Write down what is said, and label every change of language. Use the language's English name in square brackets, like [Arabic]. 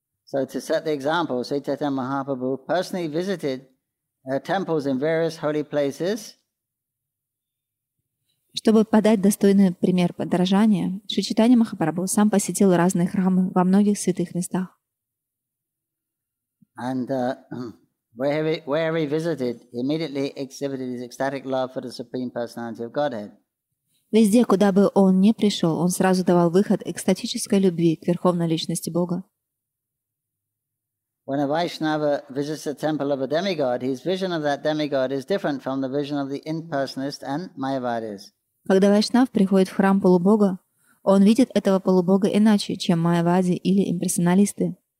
[English] So to set the example, Sri Chaitanya Mahaprabhu personally visited temples in various holy places. [Russian] Чтобы подать достойный пример подражания, Шри Чайтанья Махапрабху сам посетил разные храмы во многих святых местах. [English] And, where he visited, immediately exhibited his ecstatic love for the Supreme Personality of Godhead. [Russian] Везде, куда бы он ни пришел, он сразу давал выход экстатической любви к Верховной Личности Бога. [English] When a Vaishnava visits the temple of a demigod, his vision of that demigod is different from the vision of the impersonalist and Mayavadis. [Russian] Когда Вайшнав приходит в храм полубога, он видит этого полубога иначе, чем майявади или имперсоналисты.